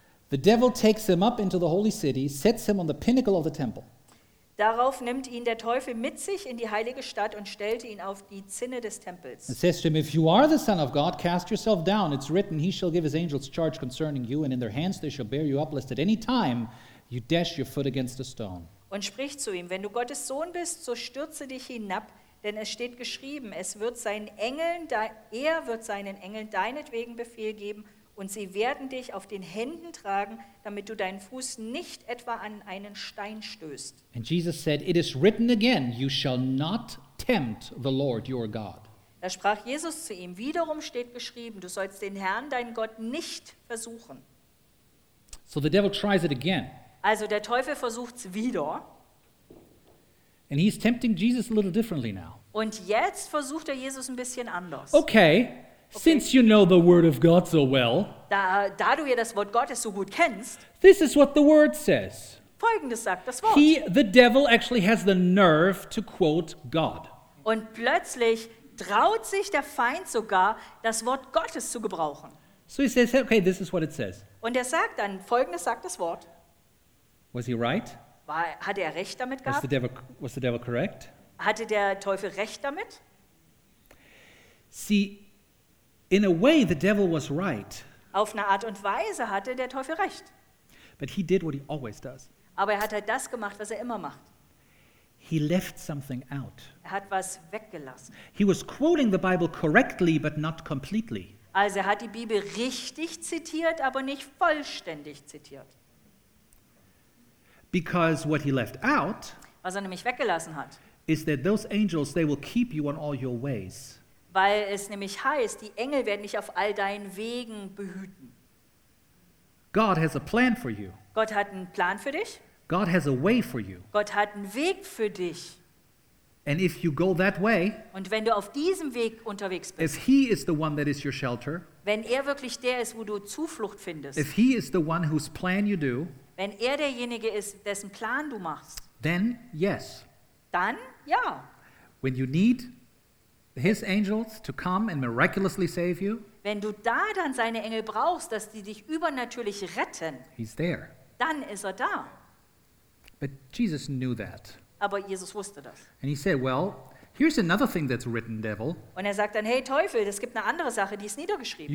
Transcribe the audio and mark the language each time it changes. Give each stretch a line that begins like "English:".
English: The devil takes him up into the holy city, sets him on the pinnacle of the temple.
German: Darauf nimmt ihn der Teufel mit sich in die heilige Stadt und stellte ihn auf die Zinne des Tempels.
English: It says to him, if you are the son of God, cast yourself down. It's written, he shall give his angels charge concerning you, and in their hands they shall bear you up, lest at any time you dash your foot against a stone.
German: Und spricht zu ihm, wenn du Gottes Sohn bist, so stürze dich hinab, denn es steht geschrieben, er wird seinen Engeln deinetwegen Befehl geben, und sie werden dich auf den Händen tragen, damit du deinen Fuß nicht etwa an einen Stein stößt.
English: And Jesus said, it is written again, you shall not tempt the Lord your God.
German: Da sprach Jesus zu ihm, wiederum steht geschrieben, du sollst den Herrn, deinen Gott, nicht versuchen.
English: So the devil tries it again.
German: Also der Teufel versucht's wieder.
English: And he's tempting Jesus a little differently now.
German: Und jetzt versucht er Jesus ein bisschen anders.
English: Okay. Okay. Since you know the word of God so well,
German: da du ja das Wort Gottes so gut kennst,
English: this is what the word says.
German: Folgendes sagt das Wort.
English: The devil actually has the nerve to quote God.
German: Und plötzlich traut sich der Feind sogar, das Wort Gottes zu gebrauchen.
English: So he says, okay, this is what it says.
German: Und er sagt dann, folgendes sagt das Wort.
English: Was he right?
German: Hatte er recht damit gehabt?
English: Was the devil correct?
German: Hatte der Teufel recht damit?
English: See, in a way, the devil was right.
German: Auf eine Art und Weise hatte der Teufel recht.
English: But he did what he always does.
German: Aber er hat halt das gemacht, was er immer macht.
English: He left something out.
German: Er hat was weggelassen.
English: He was quoting the Bible correctly, but not completely.
German: Also er hat die Bibel richtig zitiert, aber nicht vollständig zitiert.
English: Because what he left out,
German: was er nämlich weggelassen hat,
English: is that those angels, they will keep you on all your ways.
German: Weil es nämlich heißt, die Engel werden dich auf all deinen Wegen behüten.
English: God has a plan for you.
German: Gott hat einen Plan für dich.
English: God has a way for you.
German: Gott hat einen Weg für dich.
English: And if you go that way,
German: und wenn du auf diesem Weg unterwegs bist,
English: if he is the one that is your shelter,
German: wenn er wirklich der ist, wo du Zuflucht findest,
English: if he is the one whose plan you do,
German: wenn er derjenige ist, dessen Plan du machst,
English: then yes.
German: Dann ja.
English: When you need his angels to come and miraculously save you?
German: Wenn du da dann seine Engel brauchst, dass die dich übernatürlich retten.
English: He's there.
German: Dann ist er da.
English: But Jesus knew that.
German: Aber Jesus wusste das.
English: And he said, well, here's another thing that's written, devil.
German: Und er sagt dann, hey Teufel, es gibt eine andere Sache, die ist niedergeschrieben.